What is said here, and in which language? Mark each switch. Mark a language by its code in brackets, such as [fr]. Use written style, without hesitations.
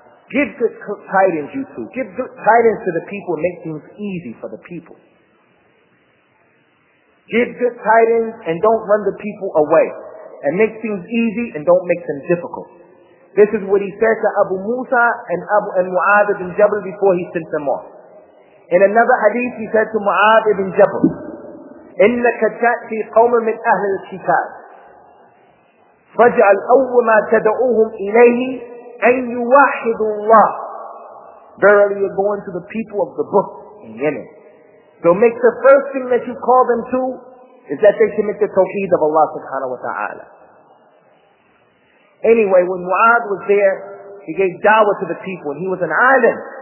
[en] Give good tidings, you two. Give good tidings to the people and make things easy for the people. Give good tidings and don't run the people away. And make things easy and don't make them difficult. This is what he said to Abu Musa and Mu'adh ibn Jabal before he sent them off. In another hadith, he said to Mu'adh ibn Jabal, [ar] إِنَّكَ تَأْتِي قَوْمًا مِنْ أَهْلِ الْكِتَابِ فَاجْعَلْ أَوَّمَا تَدْعُوهُمْ إِلَيْهِ أَنْ يُوَاحِدُ اللَّهِ. [en] Verily you're going to the people of the book in Yemen. So make the first thing that you call them to is that they should make the tawheed of Allah subhanahu wa ta'ala. Anyway, when Mu'adh was there, he gave da'wah to the people, and he was an alim.